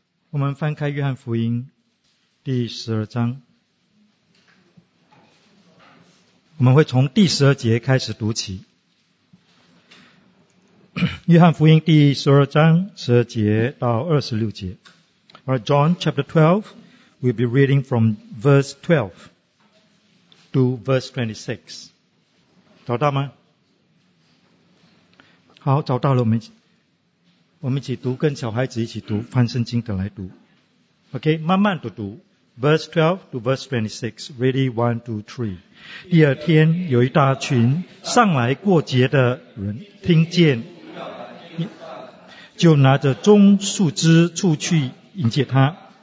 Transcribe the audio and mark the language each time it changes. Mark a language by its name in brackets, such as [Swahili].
[Chinese] 我们翻开约翰福音第十二章，我们会从第十二节开始读起。约翰福音第十二章十二节到二十六节。 [English] Or John chapter 12, we'll be reading from verse 12 to verse 26. [Chinese] 找到吗？好，找到了，我们一起读，跟小孩子一起读，翻圣经的来读。 [English] OK, 慢慢的读。 Verse 12 to verse 26, ready 1, 2, 3. [Chinese] 第二天有一大群上来过节的人听见，就拿着棕树枝出去迎接他。